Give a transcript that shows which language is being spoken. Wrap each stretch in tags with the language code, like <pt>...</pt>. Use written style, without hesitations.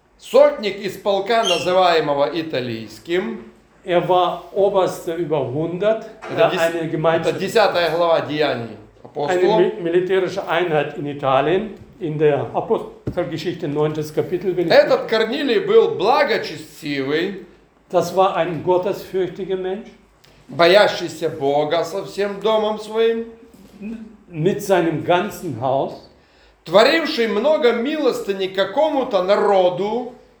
<ru>сотник из полка, называемого Италийским,</ru> <de>er war Oberste über 100,</de> <ru>это 10 глава Деяний апостолов,</ru> <de>eine militärische Einheit in Italien, in der Apostelgeschichte 9. Kapitel,</de> <ru>этот Корнилий был благочестивый,</ru> <de>das war ein gottesfürchtiger Mensch,</de> <ru>боящийся Бога со всем домом своим,</ru> <de>mit seinem ganzen Haus,</de> <ru>творивший много милостыни какому-то народу,</ru>